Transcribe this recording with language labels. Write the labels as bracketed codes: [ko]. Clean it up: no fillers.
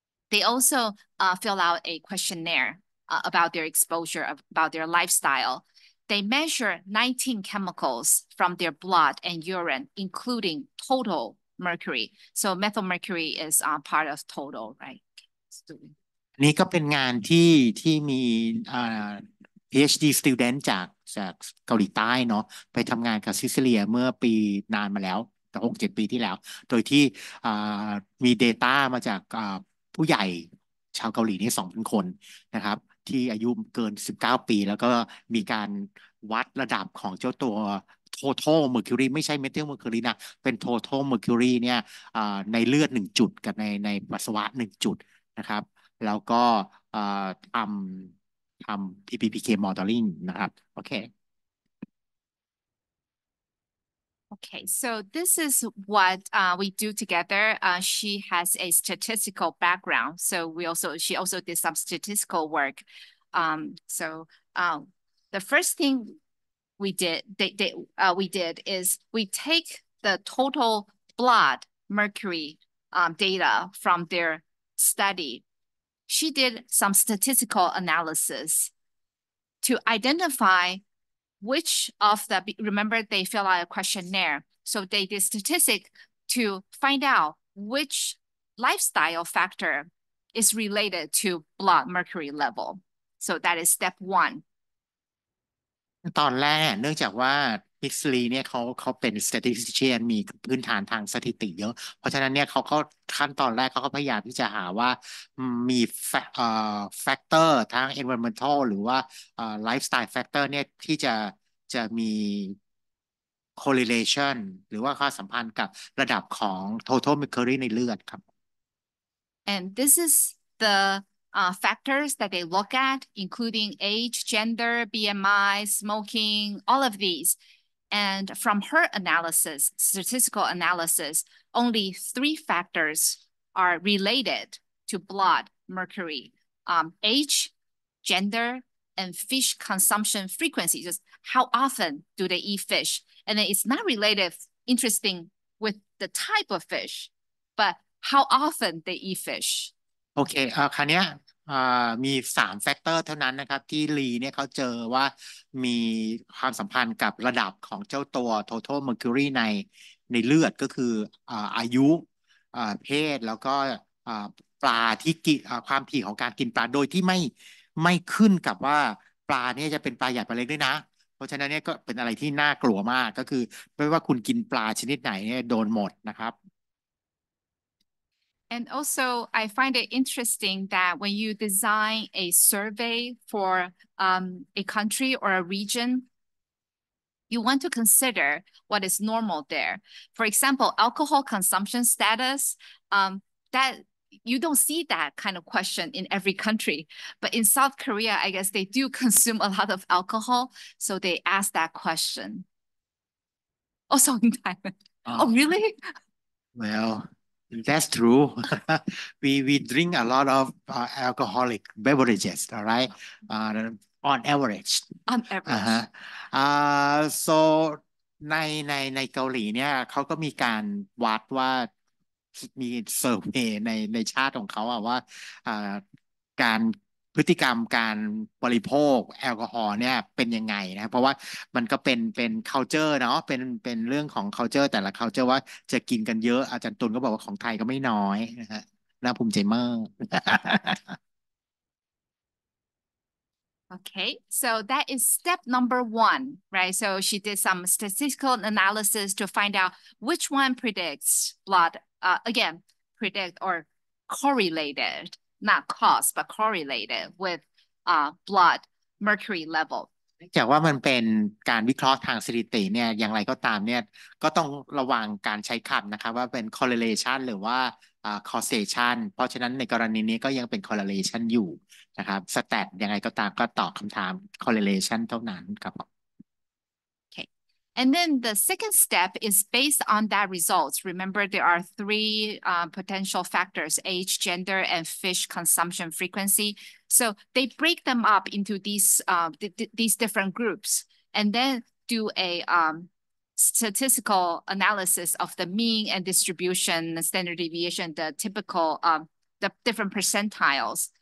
[en] They also fill out a questionnaire about their exposure, about their lifestyle. They measure 19 chemicals from their blood and urine, including total mercury. So methylmercury is part of total, right? [th] นี่ก็เป็นงานที่มี PhD student จากเกาหลีใต้เนาะไปทำงานกับซิซิเลียเมื่อปีนานมาแล้ว6-7 ปีที่แล้วโดยที่ มี Data มาจากผู้ใหญ่ชาวเกาหลีนี่ 2,000 คนนะครับที่อายุเกิน19ปีแล้วก็มีการวัดระดับของเจ้าตัว Total Mercury ไม่ใช่ Methyl Mercury นะเป็น Total Mercury เนี่ยในเลือด1จุดกับในปัสสาวะ1จุดนะครับแล้วก็ทำ PBPK Modeling นะครับโอเค [en] Okay, so this is what we do together. She has a statistical background, so she also did some statistical work. The first thing we did is we take the total blood mercury data from their study. She did some statistical analysis to identify. Which of the, remember they fill out a questionnaire. So they did statistic to find out which lifestyle factor is related to blood mercury level. So that is step one. [th] ตอนแรกเนื่องจากว่าพิกซ์ลีเนี่ยเขาเป็น statistician มีพื้นฐานทางสถิติเยอะเพราะฉะนั้นเนี่ยเขาขั้นตอนแรกเขาพยายามที่จะหาว่ามีfactor ทาง environmental หรือว่า lifestyle factor เนี่ยที่จะมี correlation หรือว่าความสัมพันธ์กับระดับของ total mercury ในเลือดครับ [en] and this is thefactors that they look at, including age, gender, BMI, smoking, all of these. And from her analysis, statistical analysis, only 3 factors are related to blood mercury. Age, gender, and fish consumption frequency, just how often do they eat fish? And it's not related, interesting, with the type of fish, but how often they eat fish. Okay, Kanya. [th] มี3แฟกเตอร์เท่านั้นนะครับที่ลีเนี่ยเขาเจอว่ามีความสัมพันธ์กับระดับของเจ้าตัว total mercury ในเลือดก็คืออายุเพศแล้วก็ปลาที่กินความถี่ของการกินปลาโดยที่ไม่ขึ้นกับว่าปลาเนี่ยจะเป็นปลาใหญ่ปลาเล็กด้วยนะเพราะฉะนั้นเนี่ยก็เป็นอะไรที่น่ากลัวมากก็คือไม่ว่าคุณกินปลาชนิดไหนเนี่ยโดนหมดนะครับ [en] And also, I find it interesting that when you design a survey for a country or a region, you want to consider what is normal there. For example, alcohol consumption status, that you don't see that kind of question in every country. But in South Korea, I guess they do consume a lot of alcohol. So they ask that question. Also in Thailand. Oh, really? Well... That's true. we drink a lot of alcoholic beverages, all right? On average. On average. [th] So ในเกาหลีเนี่ยเขาก็มีการวัดว่ามีเซอร์เวย์ในชาติของเขาอ่ะว่าการพฤติกรรมการบริโภคแอลกอฮอล์เนี่ยเป็นยังไงนะเพราะว่ามันก็เป็น culture เนาะเป็นเรื่องของ culture แต่ละ culture ว่าจะกินกันเยอะอาจารย์ตุลก็บอกว่าของไทยก็ไม่น้อยนะฮะน่าภูมิใจมาก [en] Okay, so that is step number one, right? So she did some statistical analysis to find out which one predicts blood, again, predict or correlated, not cause, but correlated with blood mercury level. [th] จากว่ามันเป็นการวิเคราะห์ทางสถิติเนี่ยอย่างไรก็ตามเนี่ยก็ต้องระวังการใช้คำนะครับว่าเป็น correlation หรือว่า causation เพราะฉะนั้นในกรณีนี้ก็ยังเป็น correlation อยู่นะครับ stat ยังไงก็ตามก็ตอบคำถาม correlation เท่านั้นครับ [en] okay and then the second step is based on that results remember there are three potential factors age gender and fish consumption frequencySo they break them up into these different groups and then do a statistical analysis of the mean and distribution, the standard deviation, the typical, the different percentiles.